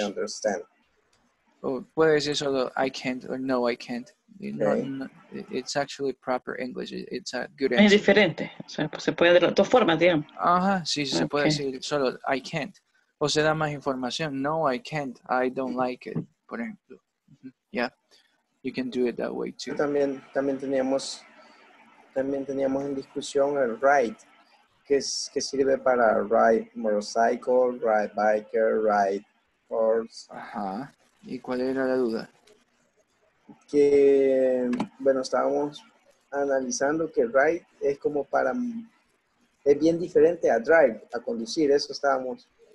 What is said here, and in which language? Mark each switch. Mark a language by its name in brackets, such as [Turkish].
[English] I understand. [Spanish] Puede decir solo [English] I can't or no, I can't. You know, it's actually proper English. It's a good answer. [Spanish] Es diferente. Se puede de las dos formas, digamos. Ajá, sí, okay. Se puede decir solo [English] I can't. [Spanish] O se da más información. [English] No, I can't. I don't like it, [Spanish] por ejemplo. [English] Yeah, you can do it that way too. [Spanish] También teníamos en discusión el ride, que sirve para [English] ride motorcycle, ride biker, ride horse. [Spanish] Ajá. ¿Y cuál era la duda? Que, bueno, estábamos analizando que ride es como para, es bien diferente a drive, a conducir, eso estábamos.